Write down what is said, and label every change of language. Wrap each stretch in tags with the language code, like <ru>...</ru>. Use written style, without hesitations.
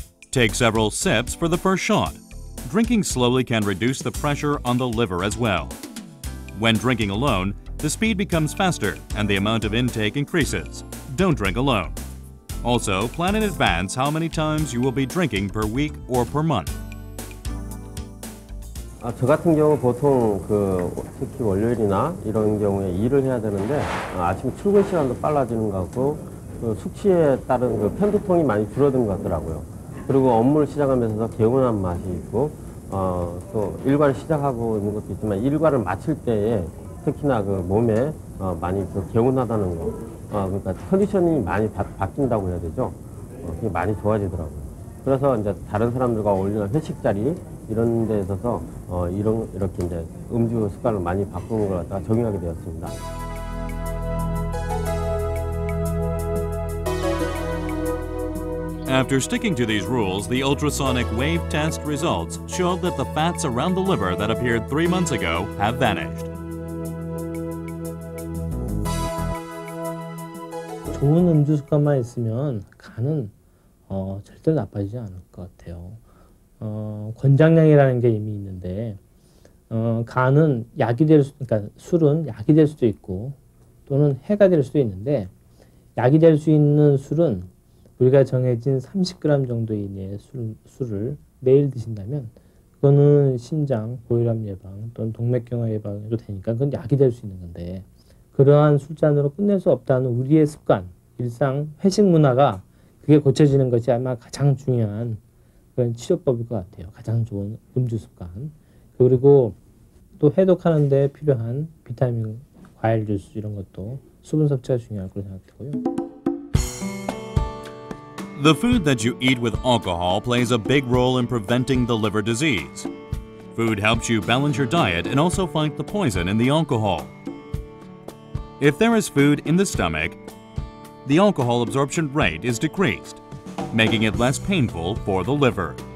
<en>Take several sips for the first shot. Drinking slowly can reduce the pressure on the liver as well. When drinking alone, the speed becomes faster and the amount of intake increases. Don't drink alone. Also, plan in advance how many times you will be drinking per week or per month.</en> <ko>아, 저 같은 경우 보통 그 특히 월요일이나 이런 경우에 일을 해야 되는데 아침 출근 시간도 빨라지는 것 같고 그 숙취에 따른 그 편두통이 많이 줄어든 것 같더라고요. 그리고 업무를 시작하면서 개운한 맛이 있고 또 일과를 시작하고 있는 것도 있지만 일과를 마칠 때에 특히나 그 몸에 많이 그 개운하다는 거 그러니까 컨디션이 많이 바뀐다고 해야 되죠. 그게 많이 좋아지더라고요. 그래서 이제 다른 사람들과 어울리는 회식 자리 이런 데 있어서 이렇게 이제 음주 습관을 많이 바꾸는 걸 갖다가 적용하게 되었습니다.</ko> <en>After sticking to these rules, the ultrasonic wave test results showed that the fats around the liver that appeared 3 months ago have vanished.</en> <ko>좋은 음주 습관만 있으면 간은 절대 나빠지지 않을 것 같아요. 권장량이라는 게 이미 있는데 간은 약이 될 수, 그러니까 술은 약이 될 수도 있고 또는 해가 될 수도 있는데 약이 될 수 있는 술은 우리가 정해진 30g 정도 이내의 술을 매일 드신다면 그거는 신장, 고혈압 예방 또는 동맥경화 예방에도 되니까 그건 약이 될 수 있는 건데 그러한 술잔으로 끝낼 수 없다는 우리의 습관, 일상, 회식 문화가 그게 고쳐지는 것이 아마 가장 중요한 그런 치료법일 것 같아요. 가장 좋은 음주 습관. 그리고 또 해독하는 데 필요한 비타민, 과일 주스 이런 것도 수분 섭취가 중요할 거라고 생각하고요.</ko> <en>The food that you eat with alcohol plays a big role in preventing the liver disease. Food helps you balance your diet and also fight the poison in the alcohol. If there is food in the stomach, the alcohol absorption rate is decreased, making it less painful for the liver.</en>